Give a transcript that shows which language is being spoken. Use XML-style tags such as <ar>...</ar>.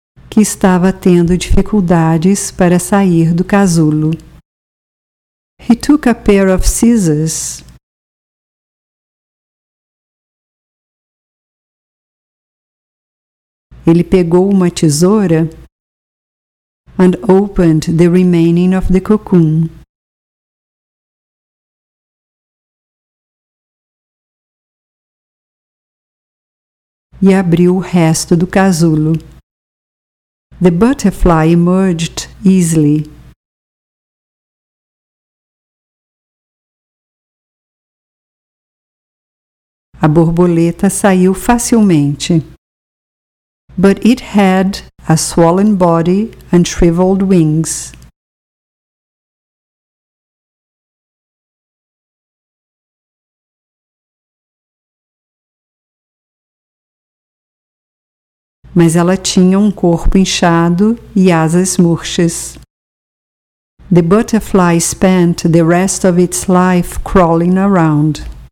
<pt>Que estava tendo dificuldades para sair do casulo.</pt> <en>He took a pair of scissors</en> <pt>Ele pegou uma tesoura</pt> <en>and opened the remaining of the cocoon.</en> <pt>E abriu o resto do casulo.</pt> <en>The butterfly emerged easily.</en> <pt>A borboleta saiu facilmente.</pt> <en>But it had a swollen body and shriveled wings.</en> <pt>Mas ela tinha um corpo inchado e asas murchas.</pt> <en>The butterfly spent the rest of its life crawling around.</en>